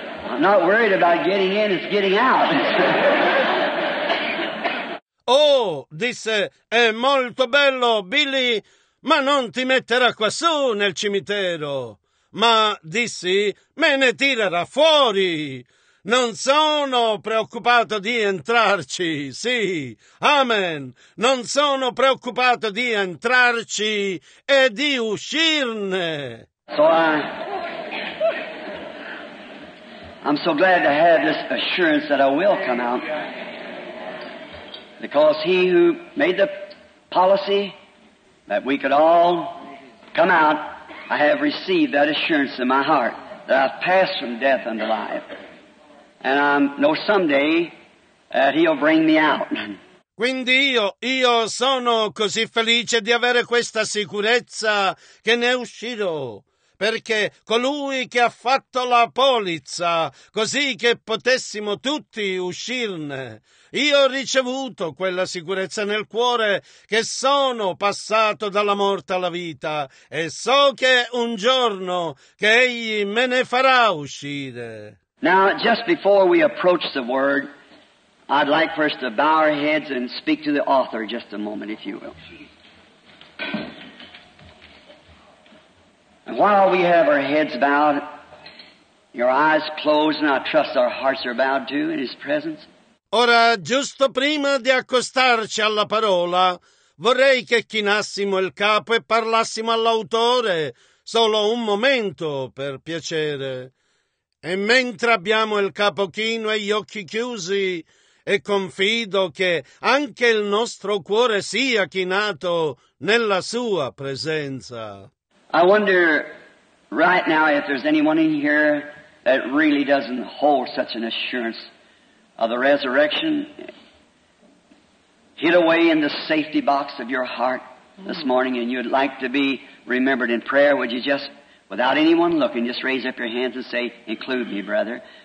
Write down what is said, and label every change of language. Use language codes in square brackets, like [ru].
[en] I'm not worried about getting in, it's getting out. [it] Oh, disse, è molto bello, Billy, ma non ti metterà quassù nel cimitero. Ma, dissi, me ne tirerà fuori. Non sono preoccupato di entrarci, sì, amen. Non sono preoccupato di entrarci e di uscirne. [en] So I'm so glad to have this assurance that I will come out. Because he who made the policy that we could all come out, I have received that assurance in my heart that I've passed from death unto life. And I know someday that he'll bring me out. [it] Quindi io sono così felice di avere questa sicurezza che ne uscirò, perché colui che ha fatto la polizza così che potessimo tutti uscirne, io ho ricevuto quella sicurezza nel cuore che sono passato dalla morte alla vita e so che un giorno che egli me ne farà uscire. [en] Now, just before we approach the Word, I'd like first to bow our heads and speak to the author just a moment, if you will. And while we have our heads bowed, your eyes closed, and I trust our hearts are bowed too in His presence. [it] Ora, giusto prima di accostarci alla parola, vorrei che chinassimo il capo e parlassimo all'autore solo un momento, per piacere. E mentre abbiamo il capo chino e gli occhi chiusi, e confido che anche il nostro cuore sia chinato nella sua presenza. [en] I wonder right now if there's anyone in here that really doesn't hold such an assurance of the resurrection hid away in the safety box of your heart. this morning and you'd like to be remembered in prayer, would you just, without anyone looking, just raise up your hands and say, include me, brother.